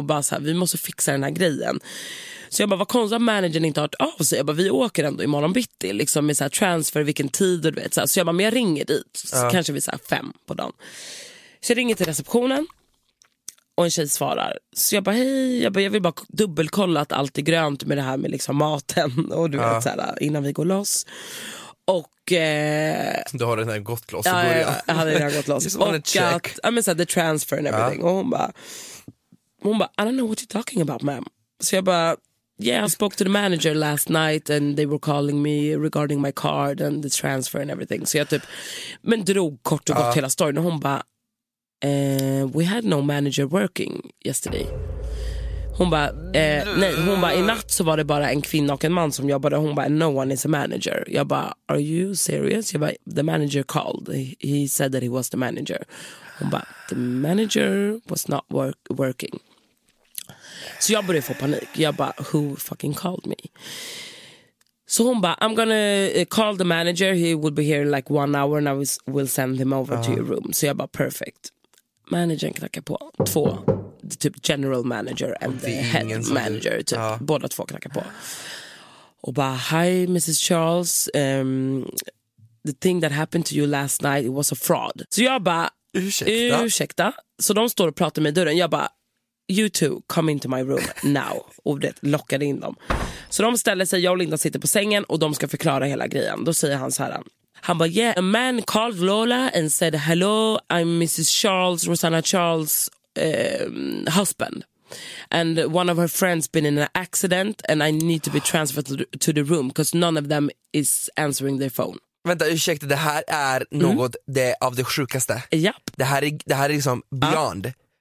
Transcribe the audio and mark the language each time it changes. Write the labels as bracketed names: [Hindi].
[Swedish] Och bara så här, vi måste fixa den här grejen. Så jag bara, vad konstigt att managern inte har hört av sig. Jag bara, vi åker ändå imorgon bitti liksom, med så här, transfer, vilken tid och du vet. Så, här, så jag bara, men jag ringer dit. Så kanske vi är så här, 5 på dagen. Så jag ringer till receptionen. Och en tjej svarar. Så jag bara, hej. Jag bara, jag vill bara dubbelkolla att allt är grönt med det här med liksom maten. Och du vet, så här, innan vi går loss. Och du har den här gått loss i början. Jag hade gått loss. Och att, [English] I mean, [Swedish] så här, [English] the transfer and everything. [Swedish] Och hon bara, [English] I don't know what you're talking about, ma'am. [Swedish] Så jag bara, [English] yeah, I spoke to the manager last night and they were calling me regarding my card and the transfer and everything. [Swedish] Så jag typ, men drog kort och gott hela storyn. Och hon bara, [English] we had no manager working yesterday. [Swedish] Hon bara, i natt så var det bara en kvinna och en man som jobbade. Hon bara, [English] no one is a manager. [Swedish] Jag bara, [English] are you serious? [Swedish] Jag bara, [English] the manager called. He said that he was the manager. [Swedish] Hon bara, [English] the manager was not working. [Swedish] Så jag började få panik. Jag bara, [English] who fucking called me? [Swedish] Så hon bara, [English] I'm gonna call the manager. He will be here in like 1 hour and I will send him over to your room. [Swedish] Så jag bara, [English] perfect. [Swedish] Managern knackar på. 2. Typ [English] general manager and the head manager [Swedish] typ. Båda 2 knackar på. Och bara, [English] hi Mrs. Charles, the thing that happened to you last night, it was a fraud. [Swedish] Så jag bara, ursäkta. Så de står och pratar med dörren. Jag bara, [English] you two, come into my room now. [Swedish] Och det lockade in dem. Så de ställer sig, jag och Linda sitter på sängen. Och de ska förklara hela grejen. Då säger han så här. Han bara, [English] yeah, a man called Lola and said, hello, I'm Mrs. Charles, Rosanna Charles husband, and one of her friends been in an accident and I need to be transferred to the room because none of them is answering their phone. [Swedish] Vänta, ursäkta, det här är något det av det sjukaste. [English] Yep. [Swedish] Det här är liksom beyond.